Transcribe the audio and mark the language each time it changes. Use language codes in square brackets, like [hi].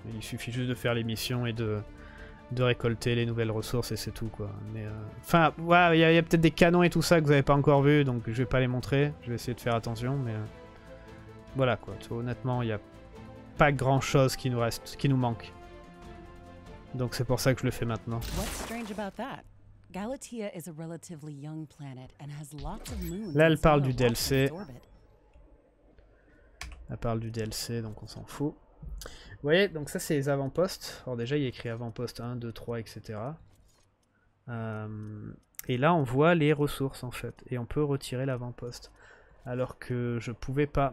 [fr] Il suffit juste de faire les missions et de récolter les nouvelles ressources et c'est tout quoi. Mais enfin, ouais, il y a peut-être des canons et tout ça que vous avez pas encore vu, donc je vais pas les montrer. Je vais essayer de faire attention, mais voilà quoi. Tout, honnêtement, il y a pas grand chose qui nous reste, qui nous manque. Donc c'est pour ça que je le fais maintenant. [en] What's strange about that? Galatea is a relatively young planet and has lots of moons. [fr] Là, elle parle du DLC. Elle parle du DLC, donc on s'en fout. Vous voyez, donc ça c'est les avant-postes. Alors déjà il y a écrit avant-poste 1, 2, 3, etc. Et là on voit les ressources en fait. Et on peut retirer l'avant-poste. Alors que je pouvais pas.